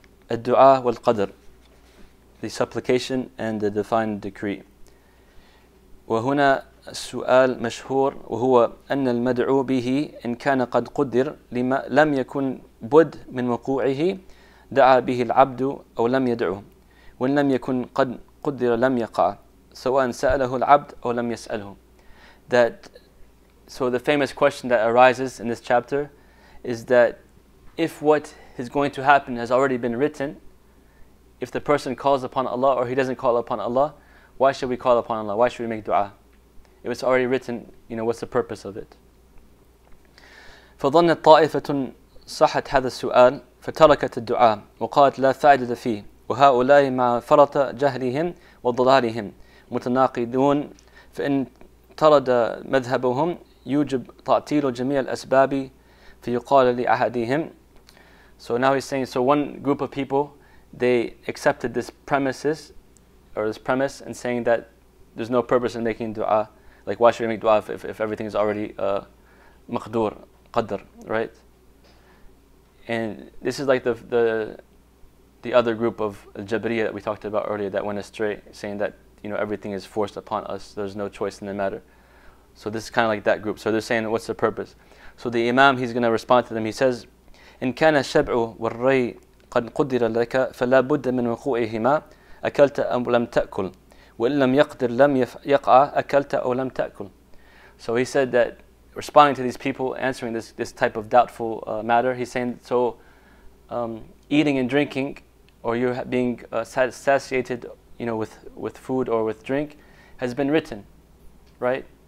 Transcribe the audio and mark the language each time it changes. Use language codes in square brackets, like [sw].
[ar] الدعاء والقدر, [en] the supplication and the divine decree. [ar] وهنا السؤال مشهور وهو أن المدعو به إن كان قد قدر لما لم يكن بد من وقوعه دعا به العبد أو لم يدعه وإن لم يكن قد قدر لم يقع سواء سأله العبد أو لم يسأله. [en] That so the famous question that arises in this chapter is that if what is going to happen has already been written, if the person calls upon Allah or he doesn't call upon Allah, why should we call upon Allah? Why should we make dua? If it's already written, you know, what's the purpose of it? [ar] فظنت طائفة صحت هذا السؤال فتركت الدعاء وقالت لا فائدة فيه وهؤلاء مع فرط جهلهم وضلالهم متناقضون فإن طرد مذهبهم يوجب تعطيل جميع الأسباب فيقال لأحدهم. [en] So now he's saying, so one group of people, they accepted this premise and saying that there's no purpose in making dua. Like why should we make dua if everything is already maqdur, qadr, right? And this is like the other group of al-jabriya that we talked about earlier that went astray, saying that, you know, everything is forced upon us, there's no choice in the matter. So this is kind of like that group. So they're saying, what's the purpose? So the imam, he's going to respond to them. He says, [ar] إن كان الشبع والري قد قدر لك فلا بد من وقوعهما أكلت أم لم تأكل وإن لم يقدر لم يقع أكلت أو لم تأكل. [en] So he said that responding to these people answering this type of doubtful matter, he's saying, so eating and drinking, or you being satiated, you know, with food or with drink, has been written, right?